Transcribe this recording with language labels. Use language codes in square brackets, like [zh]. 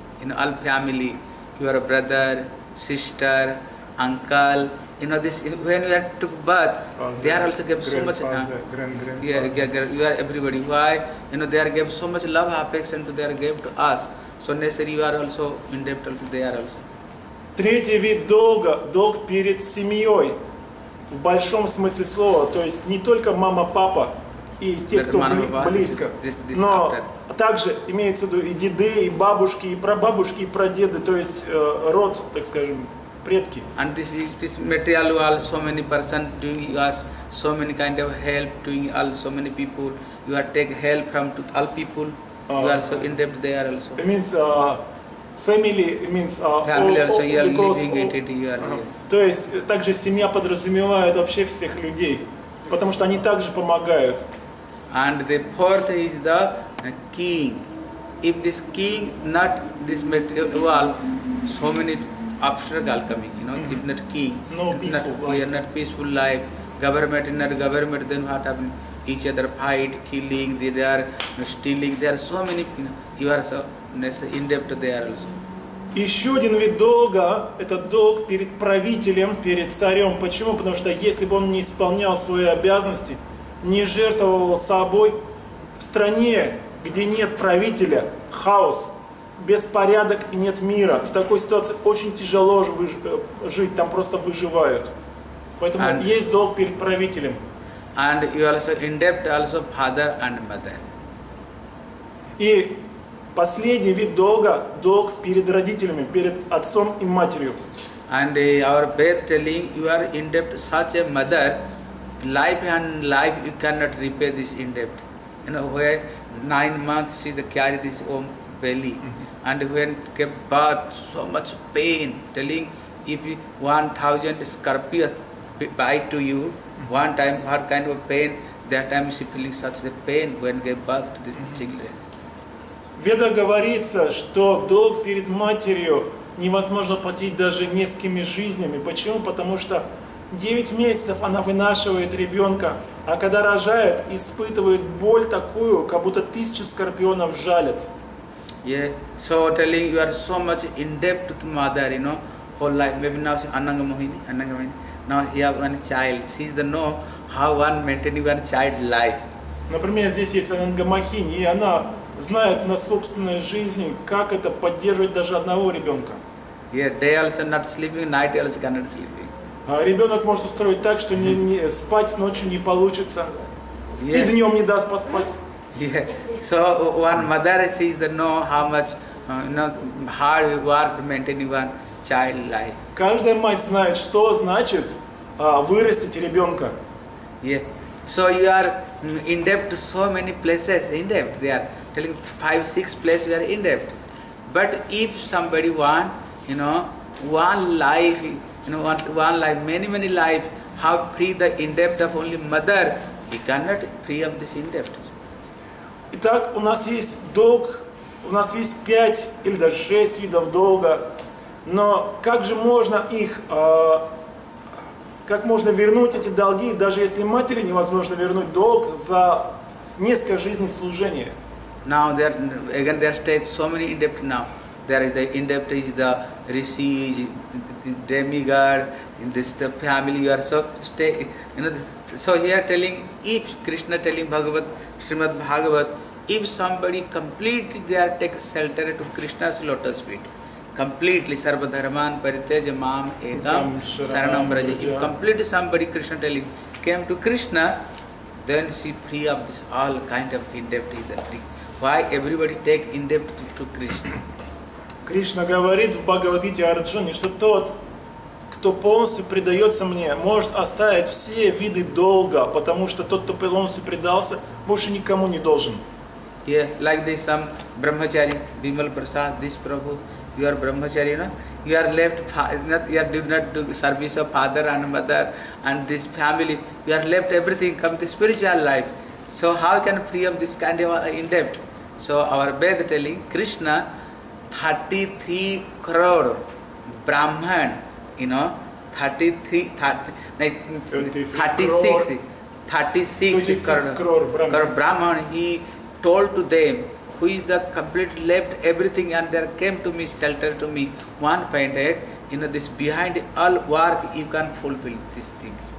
[en] In all family, your brother, sister, uncle, you know this, when you are took birth, they are also gave so much, you are everybody, why? You know, they are gave so much love, affection to, they are gave to us. So necessary, you are also in depth, also, they are also. [ru] Третий вид долга, долг перед семьей, в большом смысле слова, то есть не только мама, папа и те, кто близко, но также имеется в виду и деды, и бабушки, и прабабушки, и прадеды, то есть род, так скажем, предки. [en] And this material you are so many person doing us so many kind of help doing all so many people. You are take help from to all people. You are so in depth there also. It means family. It means family also. You are living entity. You are. [ru] То есть также семья подразумевает вообще всех людей, потому что они также помогают. [en] And the fourth is the king. If this king not this material, so many obstacles coming, you know, if not king, no peaceful, not, we are not peaceful life, government, not government, then what happened? Each other fight, killing, they are, you know, stealing, there are so many, you know, you are so necessary, in depth there also. [ru] Еще один вид долга, это долг перед правителем, перед царем. Почему? Потому что если бы он не исполнял свои обязанности, не жертвовал собой, в стране, где нет правителя, хаос, беспорядок и нет мира. В такой ситуации очень тяжело жить, там просто выживают. Поэтому [en] and [ru] есть долг перед правителем. [en] And you also in debt also father and mother. [ru] И последний вид долга – долг перед родителями, перед отцом и матерью. [en] And our faith telling you are in debt such a mother, life and life you cannot repay this in debt. You know, where 9 months she carried this own belly. Mm-hmm. And when kept birth, so much pain, telling if 1,000 scorpions bite to you, mm-hmm. one time her kind of pain, that time she feeling such a pain when gave birth to this mm-hmm. children. [ru] Веда говорится, что долг перед матерью невозможно платить даже несколькими жизнями. Почему? Потому что 9 месяцев она вынашивает ребенка, а когда рожает, испытывает боль такую, как будто 1000 скорпионов жалят. [en] Yeah, so telling you are so much in debt to mother, you know, whole life. Maybe now she Anangamohini. Now he have one child. She is the know how one maintaining one child's life. [ru] Например, здесь есть Анангамохини, и она знает на собственной жизни, как это поддерживать даже одного ребенка. [en] Yeah, day also not sleeping, night also cannot sleeping. [ru] А ребенок может устроить так, что не спать ночью не получится, yeah. и днем не даст поспать. [en] Yeah. So one mother sees the know how much, you know, hard you work to maintain one child life. [ru] Каждая мать знает, что значит вырастить ребенка. [en] Yeah. So you are in debt to so many places. In debt they are. Telling 5-6 places we are in debt. But if somebody want, you know, one life, many life, how free the in debt of only mother, he cannot free of this in debt. [ru] Итак, у нас есть долг, у нас есть 5 или даже 6 видов долга, но как же можно их, как можно вернуть эти долги, даже если матери невозможно вернуть долг за несколько жизней служения? [en] Now there again there stays so many in debt now. There is the in debt is the rishi, the demigod, in this the family you are so stay, you know. So here telling if Krishna telling Bhagavat, Srimad Bhagavat, if somebody completely there takes shelter to Krishna's lotus feet, completely [sa] Sarva Dharman Paritya Mam Ekam Saranam Braja. [en] If completely somebody Krishna telling came to Krishna, then she free of this all kind of in debt is the free. Why everybody take in debt to Krishna? [ru] Кришна говорит в Бхагавад-гите Арджуне, что тот, кто полностью предается мне, может оставить все виды долга, потому что тот, кто полностью предался, больше никому не должен. [en] Yeah, like this some brahmachari, Bimal Prasad, this Prabhu, you are brahmachari, no? You are left, you did not do service of father and mother and this family, you are left everything, come to spiritual life. So how can free of this kind of in debt? So our Veda telling Krishna, 33 crore Brahman, you know, 36 crore Brahman, he told to them, who is the complete left everything and there came to me, shelter to me, one painted, you know, this behind all work you can fulfill this thing.